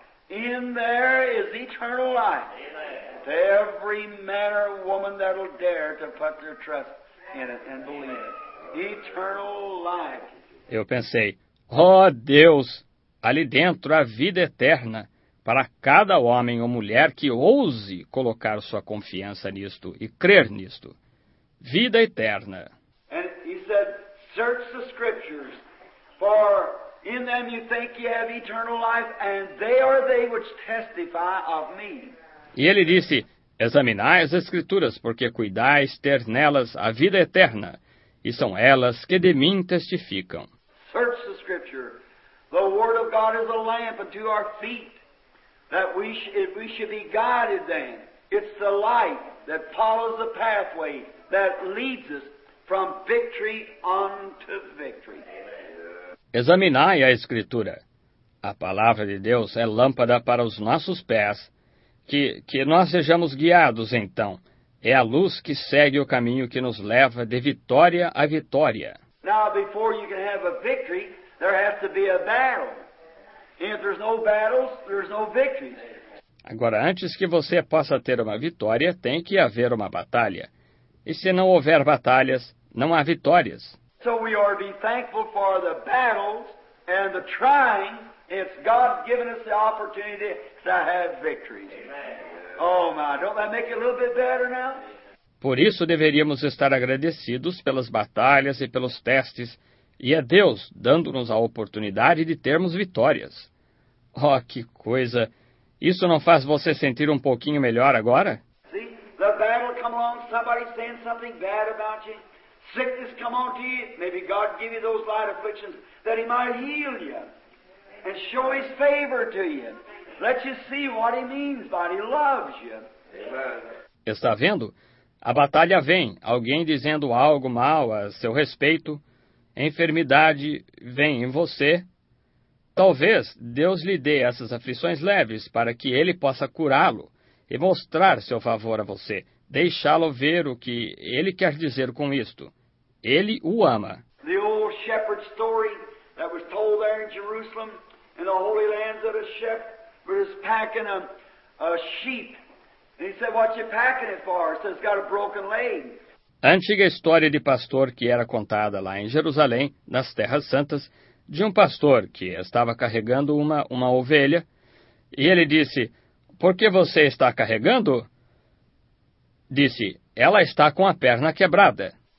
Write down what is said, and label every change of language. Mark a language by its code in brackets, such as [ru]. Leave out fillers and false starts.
[en] In there is eternal life. To every man or woman that will dare to put their trust in it and believe it. Eternal life. [pt] Eu pensei, oh Deus, ali dentro há vida eterna para cada homem ou mulher que ouse colocar sua confiança nisto e crer nisto. Vida eterna. [en] And he said, search the scriptures for in them you think you have eternal life, and they are they which testify of me. [pt] E ele disse, examinai as Escrituras, porque cuidais ter nelas a vida eterna, e são elas que de mim testificam. [en] Search the Scripture. The Word of God is a lamp unto our feet, that we should be guided then. It's the light that follows the pathway that leads us from victory unto victory. Amen. [pt] Examinai a Escritura. A palavra de Deus é lâmpada para os nossos pés. Que nós sejamos guiados, então. É a luz que segue o caminho que nos leva de vitória a vitória. [en] Now, before you can have a victory, there has to be a battle. If there's no battles, there's no victories. [pt] Agora, antes que você possa ter uma vitória, tem que haver uma batalha. E se não houver batalhas, não há vitórias. [en] So we are to be thankful for the battles and the trying. It's God giving us the opportunity to have victories. Oh my, don't that make it a little bit better now? [pt] Por isso deveríamos estar agradecidos pelas batalhas e pelos testes, e é Deus dando-nos a oportunidade de termos vitórias. Oh, que coisa! Isso não faz você sentir um pouquinho melhor agora? [en] See, the battle come along, somebody saying something bad about you. Sickness come on to you. Maybe God give you those light afflictions that He might heal you and show His favor to you. Let you see what He means by it. He loves you. Amen. [pt] Está vendo? A batalha vem, alguém dizendo algo mal a seu respeito, a enfermidade vem em você. Talvez Deus lhe dê essas aflições leves para que Ele possa curá-lo e mostrar seu favor a você, deixá-lo ver o que Ele quer dizer com isto. Ele o ama. [en] The old shepherd story that was told there in Jerusalem, in the holy lands of a shepherd was packing a sheep. And he said, what you packing it for? He said, it's got a broken leg. [pt] A antiga história de pastor que era contada lá em Jerusalém, nas Terras Santas, de um pastor que estava carregando uma ovelha, e ele disse, por que você está carregando? Disse, ela está com a perna quebrada.